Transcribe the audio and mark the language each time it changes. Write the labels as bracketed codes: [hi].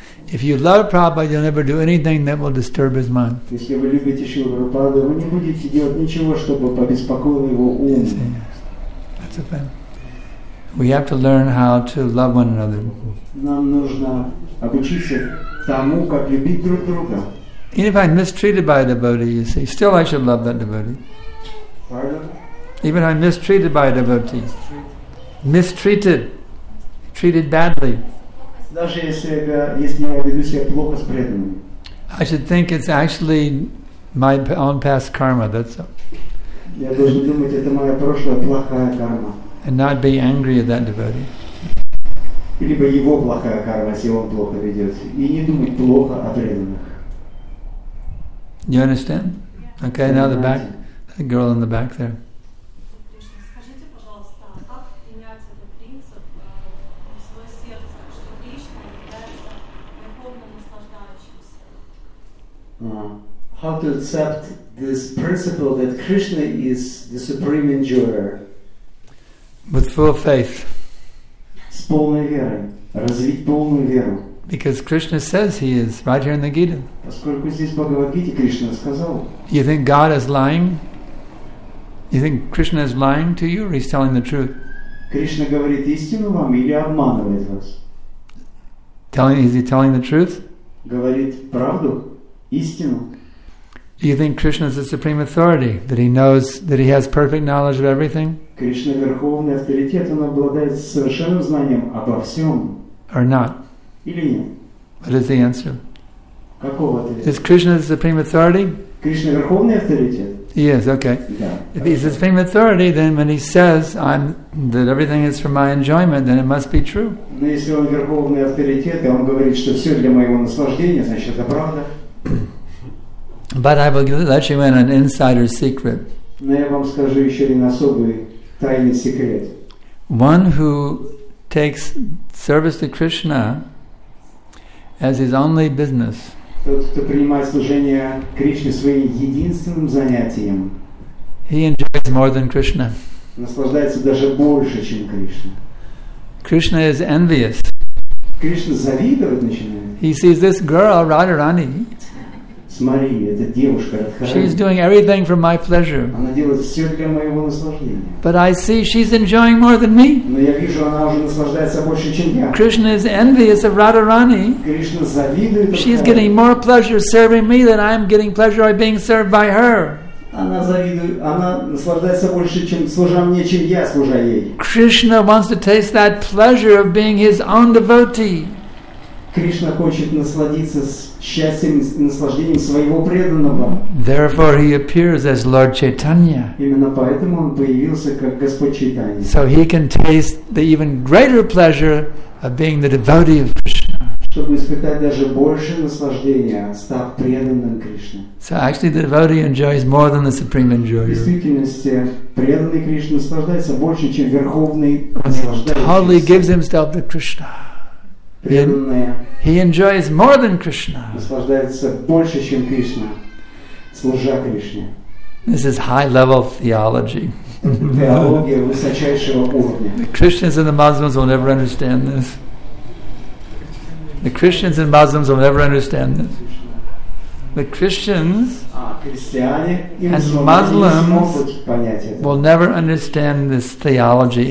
[en] If you love Prabhupada, you'll never do anything that will disturb his mind. [ru] Если вы любите Шрила Прабхупаду, вы не будете делать ничего, чтобы побеспокоить его ум. [en] That's a thing. We have to learn how to love one another. [ru] Нам нужно обучиться тому, как любить друг друга. [en] Even if I'm mistreated by a devotee, you see, still I should love that devotee. Pardon? Even if I'm mistreated by a devotee. Treated badly. [ru] Даже если я веду себя плохо с преданным. [en] I should think it's actually my own past karma, that's all. [ru] Я должен думать, это моя прошлая плохая карма. [en] And not be angry at that devotee. [ru] Либо его плохая карма, если он плохо ведется. И не думать плохо о преданных. [en] You understand? Okay, [ru] понимаете? [en] Now the back, the girl in the back there. How to accept this principle that Krishna is the supreme enjoyer? With full faith. [ru] С полной верой. Развить полную веру. [en] Because Krishna says he is, right here in the Gita. [ru] Поскольку здесь Бхагавад-гите Кришна сказал. [en] You think God is lying? You think Krishna is lying to you, or he's telling the truth? [ru] Кришна говорит истину вам или обманывает вас? [en] Is he telling the truth? [ru] Говорит правду, истину. [en] Do you think Krishna is the supreme authority, that he knows, that he has perfect knowledge of everything? [ru] Krishna – верховный авторитет, он обладает совершенным знанием обо всем. [en] Or not? [ru] Или нет? [en] What is the answer? [ru] Какого ответа? [en] Is Krishna the supreme authority? [ru] Krishna – верховный авторитет. [en] He is, okay. Yeah. If he's the supreme authority, then when he says that everything is for my enjoyment, then it must be true. [ru] Но если он верховный авторитет, и он говорит, что все для моего наслаждения, значит, это правда. [en] But I will let you in an insider secret. [ru] Но я вам скажу еще один особый тайный секрет. [en] One who takes service to Krishna as his only business. [ru] Тот, кто принимает служение Кришне своим единственным занятием. [en] He enjoys more than Krishna. [ru] Наслаждается даже больше, чем Кришна. [en] Krishna is envious. [ru] Кришна завидовать начинает. [en] He sees this girl, Radharani. [ru] Смотри, эта девушка Радхарани. [en] She's doing everything for my pleasure. [ru] Она делает все для моего наслаждения. [en] But I see she's enjoying more than me. [ru] Но я вижу, она уже наслаждается больше, чем я. [en] Krishna is envious of Radharani. [ru] Кришна завидует Радхарани. [en] She's getting more pleasure serving me than I'm getting pleasure by being served by her. [ru] Она завидует, она наслаждается больше, чем служа мне, чем я служа ей. [en] Krishna wants to taste that pleasure of being his own devotee. [ru] Кришна хочет насладиться счастьем и наслаждением своего преданного. [en] Therefore he appears as Lord Chaitanya. [ru] Именно поэтому он появился как Господь Чайтанья. [en] So he can taste the even greater pleasure of being the devotee of Krishna. [ru] Чтобы испытать даже больше наслаждения, став преданным Кришне. [en] So actually the devotee enjoys more than the supreme enjoyer. [ru] В действительности преданный Кришна наслаждается больше, чем верховный наслаждающийся. [en] He totally gives himself to Krishna. He enjoys more than Krishna. [ru] Наслаждается больше, чем Кришна, служа Кришне. [en] This is high-level theology. [ru] Теология высочайшего уровня. [en] The Christians and the Muslims will never understand this. The Christians and Muslims will never understand this. The Christians and Muslims will never understand this theology.